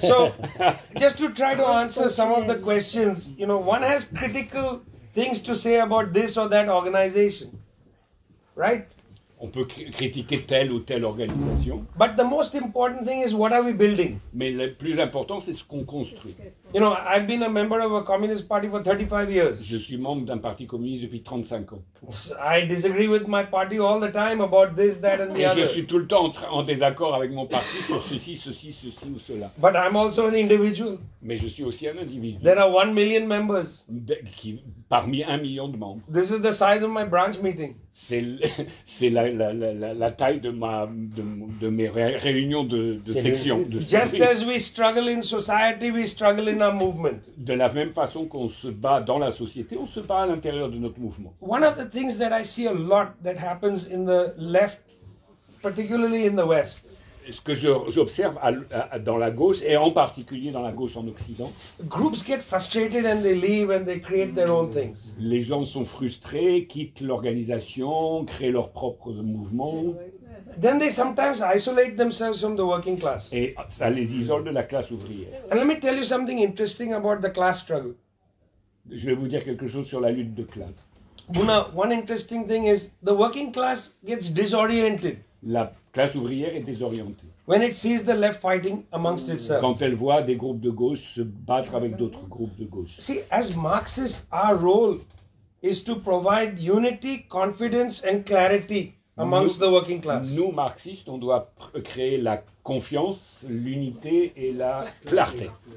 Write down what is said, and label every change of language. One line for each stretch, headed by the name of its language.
English: So, just to try to answer some of the questions, you know, one has critical things to say about this or that organization, right?
French: On peut critiquer telle ou telle organisation.
English: But the most important thing is what are we building?
French: Mais le plus important, c'est ce qu'on construit.
English: You know, I've been a member of a communist party for 35 years.
French: Je suis membre d'un parti communiste depuis 35 ans.
English: I disagree with my party all the time about this, that and the
French: Et
English: other.
French: Je suis tout le temps en désaccord avec mon parti sur ceci ou cela.
English: But I'm also an individual.
French: Mais je suis aussi un individu.
English: There are 1 million members.
French: Parmi 1 million de membres.
English: This is the size of my branch meeting.
French: C'est la taille de mes réunions de section.
English: Just as we struggle in society, we struggle in our movement.
French: De la même façon qu'on se bat dans la société, on se bat à l'intérieur de notre mouvement.
English: One of the things that I see a lot that happens in the left, particularly in the West.
French: Ce que j'observe dans la gauche, et en particulier dans la gauche en Occident.
English: Groups get frustrated and they leave and they create their own things.
French: Les gens sont frustrés, quittent l'organisation, créent leur propre mouvement.
English: Then they sometimes isolate themselves from the working class.
French: Et ça les isole de la classe ouvrière.
English: And let me tell you something interesting about the class struggle.
French: Je vais vous dire quelque chose sur la lutte de classe.
English: Buna, one interesting thing is the working class gets disoriented.
French: La classe ouvrière est désorientée.
English: When it sees the left fighting amongst itself.
French: Quand elle voit des groupes de gauche se battre avec d'autres groupes de gauche.
English: See, as Marxists, our role is to provide unity, confidence and clarity amongst the working class.
French: Nous, marxistes, on doit créer la confiance, l'unité et la clarté.